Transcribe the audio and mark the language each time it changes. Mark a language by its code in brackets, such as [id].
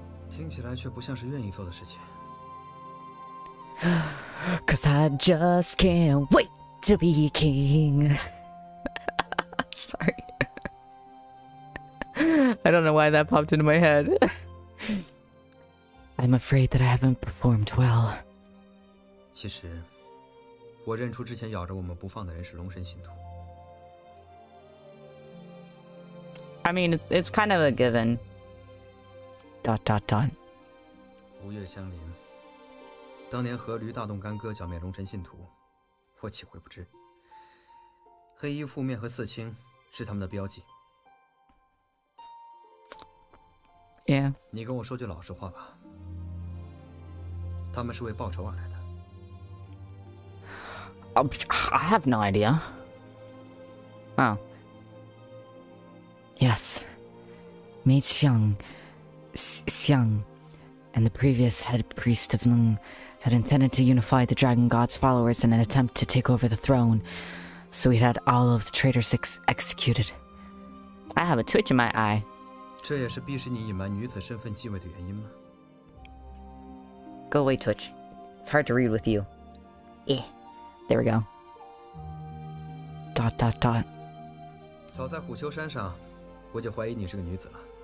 [zh] 听起来却不像是愿意做的事情。'Cause [en] I just can't wait to be king. Sorry. I don't know why that popped into my head. I'm afraid that I haven't performed well. [zh] 其实, 我认出之前咬着我们不放的人是龙神信徒。 [en] I mean, it's kind of a given. Dot dot dot. [zh] 吴越相邻, 当年何驴大动干戈剿灭龙神信徒, 我岂会不知? 黑衣覆面和刺青, 是他们的标记。 [en] Yeah. [zh] 你跟我说句老实话吧。他们是为报仇而来的。 [en] I have no idea. Oh. Yes. Mei Xiang, Xiang, and the previous head priest of Nung had intended to unify the Dragon God's followers in an attempt to take over the throne, so he had all of the traitors executed. I have a twitch in my eye. [zh] 这也是逼使你隐瞒女子身份继位的原因吗? [en] Go away, Twitch. It's hard to read with you. Eh. There we go. Dot dot dot. [zh] 早在虎丘山上, 我就怀疑你是个女子了。